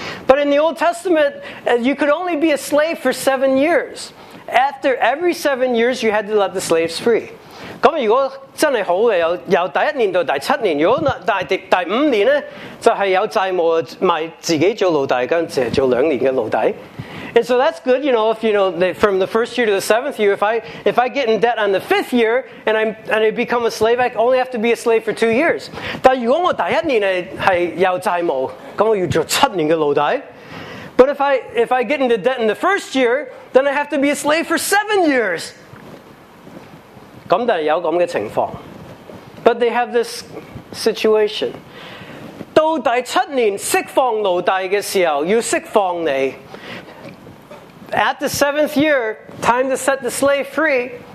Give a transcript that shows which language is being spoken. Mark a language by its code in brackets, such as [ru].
[en] But in the Old Testament, you could only be a slave for 7 years. After every 7 years, you had to let the slaves free. [yue] 咁如果真系好嘅，由第一年到第七年，如果第五年咧，就系有债务卖自己做奴隶，跟住做2年嘅奴隶。 [en] And so that's good, you know, if you know from the first year to the seventh year, if I get in debt on the fifth year and I become a slave, I only have to be a slave for 2 years. [yue] 但如果我第一年係有債務，咁我要做七年嘅奴隸. [en] But if I get into debt in the first year, then I have to be a slave for 7 years. [yue] 咁但係有咁嘅情況. [en] But they have this situation. [yue] 到第七年釋放奴隸嘅時候，要釋放你. [en] At the seventh year, time to set the slave free.